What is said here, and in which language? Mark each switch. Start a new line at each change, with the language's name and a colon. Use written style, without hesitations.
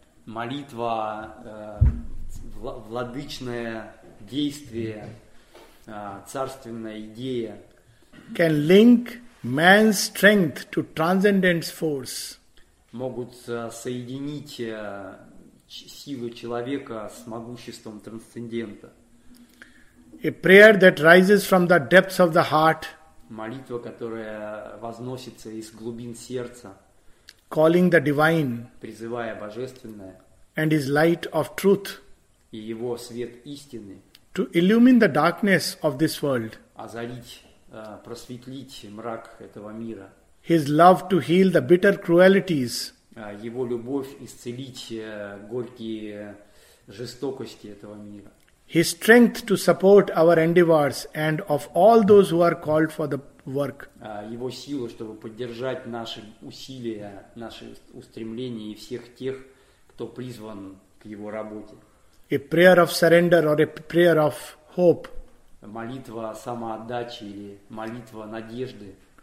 Russian: Молитва, владычное действие, царственная идея,
English: can link man's strength to transcendence force.
Russian: Могут соединить силу человека с могуществом трансцендента.
English: A prayer that rises from the depths of the heart.
Russian: Молитва, которая возносится из глубин сердца,
English: calling the divine.
Russian: Призывая божественное.
English: And his light of truth,
Russian: и его свет истины,
English: to illumine the darkness of this world,
Russian: озарить, просветлить мрак этого мира,
English: his love to heal the bitter cruelties,
Russian: его любовь исцелить горькие жестокости этого мира,
English: his strength to support our endeavors and of all those who are called for the work.
Russian: Его силу, чтобы поддержать наши усилия, наши устремления и всех тех, кто призван к его работе.
English: A prayer of surrender or a prayer of hope.
Russian: Молитва самоотдачи или молитва надежды.